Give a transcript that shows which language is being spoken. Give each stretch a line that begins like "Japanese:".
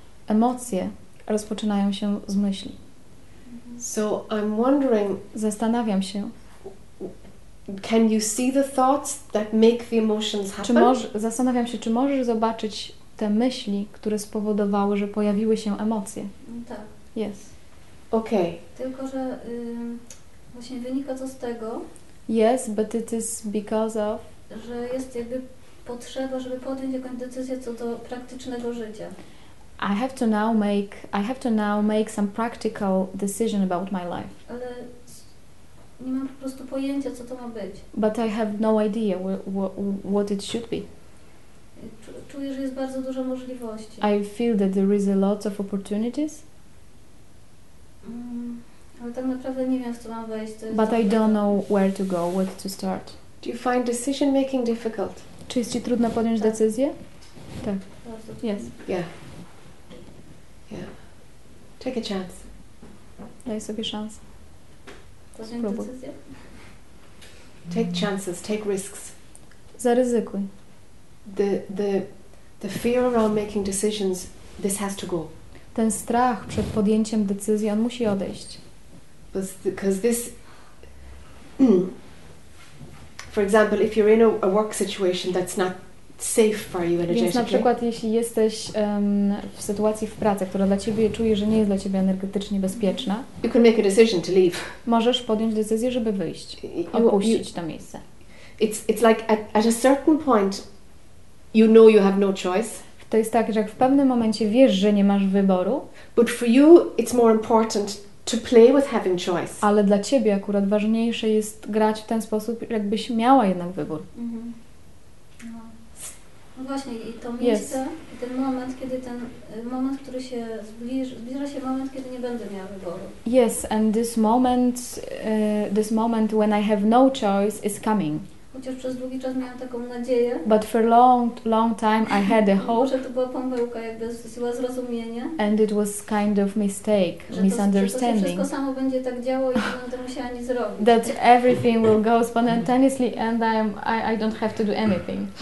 Polish: Emocje rozpoczynają się z myśli.
English: So I'm wondering.
Polish: Zastanawiam się.
English: Can you see the thoughts that make the emotions happen?
Polish: Zastanawiam się, czy możesz zobaczyć te myśli, które spowodowały, że pojawiły się emocje. Tak.
English: Yes. Okay.
Polish: Tylko że właśnie wynika to z tego.
English: Yes, but it is because of.
Polish: Że jest jakby potrzeba, żeby podjąć jakąś decyzję co do praktycznego życia.
English: I have to now make some practical decision about my life.
Polish: Ale nie mam po prostu pojęcia, co to ma być.
English: But I have no idea what it should be.
Polish: Czuję, że jest bardzo dużo możliwości.
English: I feel that there is a lot of opportunities.
Polish: Ale tak naprawdę nie wiem, w co mam wejść.
English: But I don't know where to go, what to start. Do you find decision making difficult?
Polish: Czy jest ci trudno podjąć decyzję? Tak.
English: Yes. Yeah. Take a chance.
Polish: Daj sobie szansę. Spróbuj.
English: Take chances, take risks.
Polish: Zaryzykuj.
English: The fear around making decisions, this has to go.
Polish: Ten strach przed podjęciem decyzji, on musi odejść.
English: Because this... For example, if you're in a work situation that's not safe for you energetically.
Polish: Więc na przykład jeśli jesteś w sytuacji w pracy, która dla ciebie czuje, że nie jest dla ciebie energetycznie bezpieczna.
English: You can make a decision to leave.
Polish: Możesz podjąć decyzję, żeby wyjść, opuścić to miejsce.
English: It's like at a certain point you know you have no choice.
Polish: To jest tak, że jak w pewnym momencie wiesz, że nie masz wyboru.
English: But for you it's more important to play with having choice.
Polish: Ale dla ciebie akurat ważniejsze jest grać w ten sposób, jakbyś miała jednak wybór. Mm-hmm. No właśnie, i to miejsce,
English: yes.
Polish: I ten moment, kiedy ten moment, który się zbliża się moment, kiedy nie będę miała wyboru.
English: Yes, and this moment when I have no choice is coming.
Polish: Chociaż przez długi czas miałam taką nadzieję.
English: But for long time I had a hope.
Polish: Może to była pomyłka, jakby zła zrozumienie.
English: And it was kind of mistake, misunderstanding.
Polish: Że to wszystko samo będzie tak działo i nie będę musiała nic zrobić.
English: That everything will go spontaneously and I don't have to do anything.